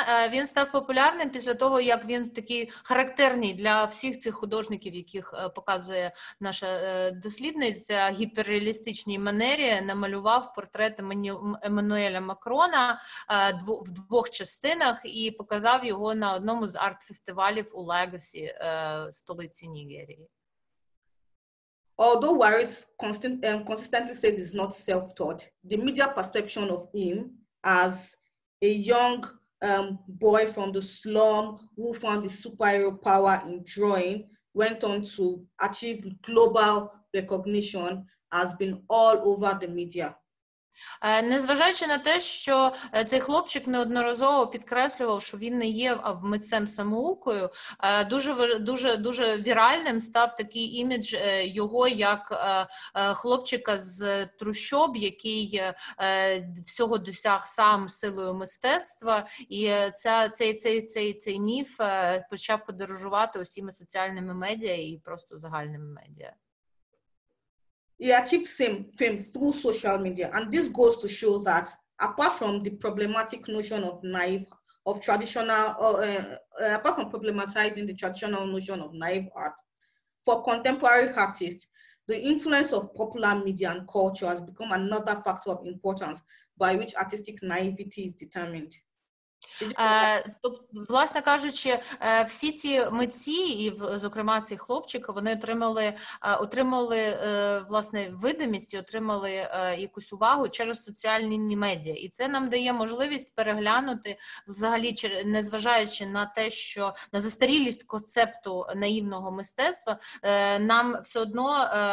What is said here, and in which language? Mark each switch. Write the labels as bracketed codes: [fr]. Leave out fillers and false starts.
[uk] Він став популярним після того, як він такий характерний для всіх цих художників, яких показує наша дослідниця, гіперреалістичній манері, намалював портрет Еммануеля Макрона в 2 частинах і показав його на одному з арт-фестивалів у Легосі, столиці Нігерії. [en] Although Waris consistently says he's not self-taught, the media perception of him as a young boy from the slum who found his superhero power in drawing went on to achieve global recognition has been all over the media. [uk] Незважаючи на те, що цей хлопчик неодноразово підкреслював, що він не є митцем-самоукою, дуже віральним став такий імідж його як хлопчика з трущоб, який всього досяг сам силою мистецтва, і цей міф почав подорожувати усіми соціальними медіа і просто загальними медіа. [en] He achieved fame through social media, and this goes to show that apart from the problematic notion of naive of traditional apart from problematizing the traditional notion of naive art, for contemporary artists, the influence of popular media and culture has become another factor of importance by which artistic naivety is determined. [uk] Тобто, власне кажучи, всі ці митці, і зокрема цей хлопчик, вони отримали власне видимість, отримали якусь увагу через соціальні медіа. І це нам дає можливість переглянути взагалі, незважаючи на те, що на застарілість концепту наївного мистецтва, нам все одно